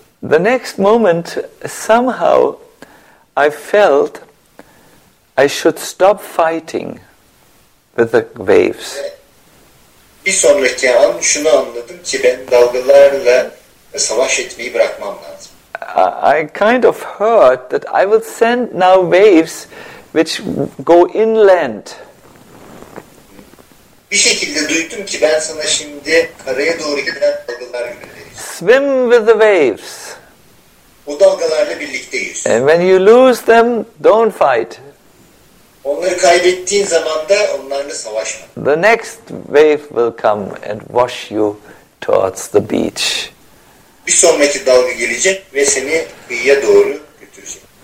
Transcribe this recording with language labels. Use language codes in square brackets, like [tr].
[en] The next moment, somehow, I felt I should stop fighting with the waves. [tr] Bir sonraki an şunu anladım ki ben dalgalarla savaş etmeyi bırakmam lazım. [en] I kind of heard that I will send now waves which go inland. [tr] Bir şekilde duydum ki ben sana şimdi karaya doğru giden dalgalar göndereceğim. [en] Swim with the waves. [tr] O dalgalarla birlikte yüz. [en] And when you lose them, don't fight. [tr] Onları kaybettiğin zaman da onlarla savaşma. [en] The next wave will come and wash you towards the beach. [tr] Bir sonraki dalga gelecek ve seni kıyıya doğru götürecek.